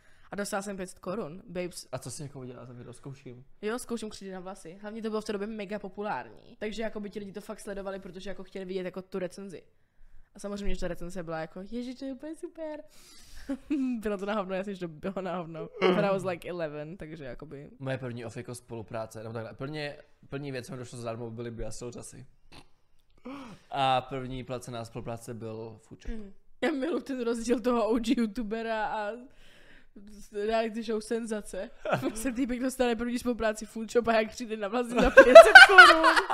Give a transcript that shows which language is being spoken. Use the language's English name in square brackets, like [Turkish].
[Czech] A dostala jsem 500 korun, babes. A co jsi jako udělala za video, zkouším? Jo, zkouším křídy na vlasy, hlavně to bylo v té době mega populární. Takže jako by ti lidi to fakt sledovali, protože jako chtěli vidět jako tu recenzi. A samozřejmě, že ta recenze byla jako, ježiš, to je úplně super. Bylo to na hovno, já si že to bylo na hovno. [English] But I was like 11, [Czech] takže jakoby. Moje první ofiko spolupráce, nebo takhle, první věc, co mi došlo zadarmo, byly biasoutasy. A první placená spolupráce byl fuček. Já miluji ten rozdíl toho OG youtubera a reality show senzace. Prostě týpek dostane první spolupráci Foodshop a jak přijde na vlastně za 500 korun.